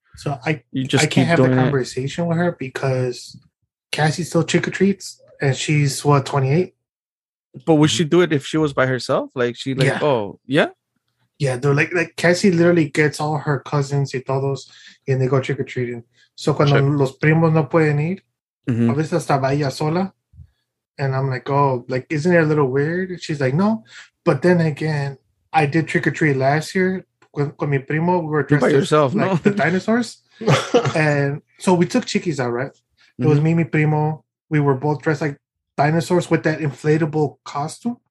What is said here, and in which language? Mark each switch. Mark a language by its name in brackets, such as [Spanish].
[English] so I, you just, I can't keep have doing the conversation it? With her, because Cassie still trick-or-treats and she's what, 28? But would she do it if she was by herself? Like, she, like, yeah. Oh, yeah? Yeah, they're like Cassie literally gets all her cousins [Spanish] y todos, [English] and they go trick-or-treating. So cuando sure. [Spanish] los primos no pueden ir, mm-hmm. a veces estaba ella sola. [English] And I'm like, oh, like, isn't it a little weird? She's like, no. But then again, I did trick-or-treat last year [Spanish] con mi primo. [English] We were dressed by yourself, like, no? the dinosaurs. And so we took Chiquis out, right? Mm-hmm. It was me, [Spanish] mi primo. [English] We were both dressed like dinosaurs with that inflatable costume.